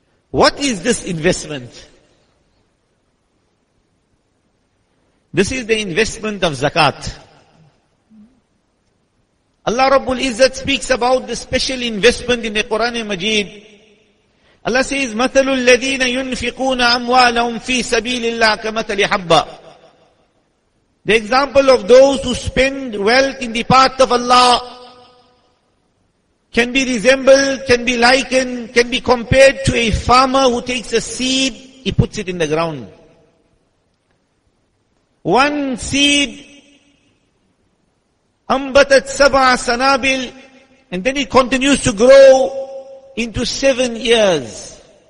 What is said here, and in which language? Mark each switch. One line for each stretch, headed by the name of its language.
English: What is this investment? This is the investment of zakat. Allah Rabbul Izzat speaks about the special investment in the Quran and Majid.
Arabic: Allah says, مَثَلُ الَّذِينَ يُنْفِقُونَ أَمْوَالَهُمْ فِي سَبِيلِ اللَّهِ كَمَثَلِ حَبَّةٍ.
English: The example of those who spend wealth in the path of Allah can be resembled, can be likened, can be compared to a farmer who takes a seed, he puts it in the ground. One seed,
Arabic: أَمْبَتَتْ سَبْعَ سَنَابِلِ,
English: and then it continues to grow into 7 years.